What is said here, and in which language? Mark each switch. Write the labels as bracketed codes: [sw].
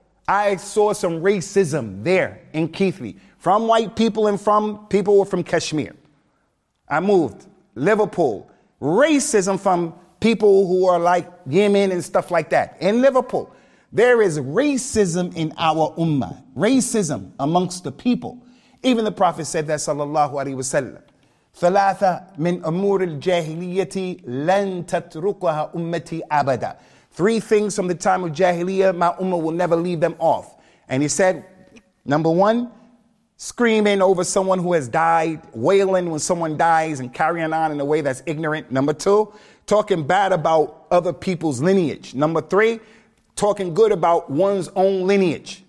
[en] I saw some racism there in Keithley from white people and from people who were from Kashmir. I moved Liverpool. Racism from people who are like Yemen and stuff like that in Liverpool. There is racism in our ummah, racism amongst the people. [ar] Even the Prophet said that, sallallahu alaihi wasallam, ثلاثة من أمور الجاهلية لن تتركها أمتي أبدا. [en] Three things from the time of Jahiliyyah, my ummah will never leave them off. And he said, number one, screaming over someone who has died, wailing when someone dies and carrying on in a way that's ignorant. Number two, talking bad about other people's lineage. Number three, talking good about one's own lineage.